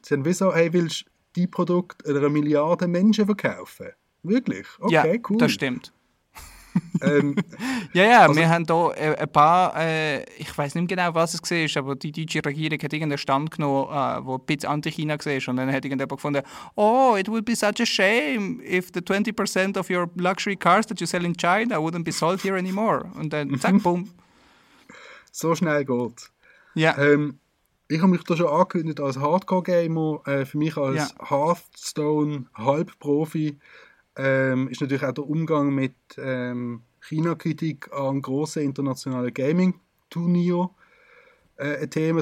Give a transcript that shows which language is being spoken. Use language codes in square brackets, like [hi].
[de] Sie haben wie so, hey, willst du dein Produkt einer Milliarde Menschen verkaufen? Wirklich? Okay, ja, cool. Das stimmt. Also, wir haben hier ein paar, ich weiß nicht genau, was es war, aber die deutsche Regierung hat irgendeinen Stand genommen, wo ein bisschen anti-China war. Und dann hat irgendjemand gefunden, oh, [en] it would be such a shame if the 20% of your luxury cars that you sell in China wouldn't be sold here anymore. [de] Und dann zack, boom. So schnell geht. Ja. Ich habe mich da schon angekündigt als Hardcore-Gamer. Für mich als Hearthstone-Halbprofi ist natürlich auch der Umgang mit China-Kritik an grossen internationalen Gaming-Turnier ein Thema.